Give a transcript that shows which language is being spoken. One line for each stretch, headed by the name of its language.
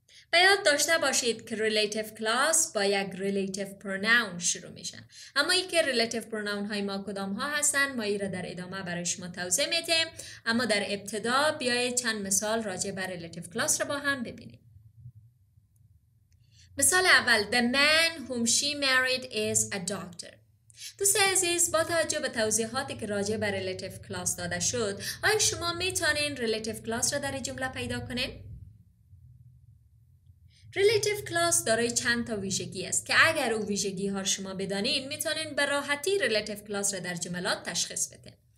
Persian: به یاد داشته باشید که ریلیتیو کلاس با یک ریلیتیو پروناون شروع میشن. اما ای که ریلیتیو پروناون های ما کدام ها هستن، ما ای را در ادامه برای شما توضیح میتیم. اما در ابتدا بیایید چند مثال راجع به ریلیتیو کلاس را با هم ببینیم. مثال اول:
English: The man whom she married is a doctor.
Persian: دوست عزیز، با توجه به توضیحاتی که راجع به ریلیتیو کلاس داده شد، آیا شما میتونین ریلیتیو کلاس را در جمله پیدا کنین؟ ریلیتیو کلاس دارای چند تا ویژگی است که اگر او ویژگی ها شما بدانین، میتونین به راحتی ریلیتیو کلاس را در جملات تشخیص بدین.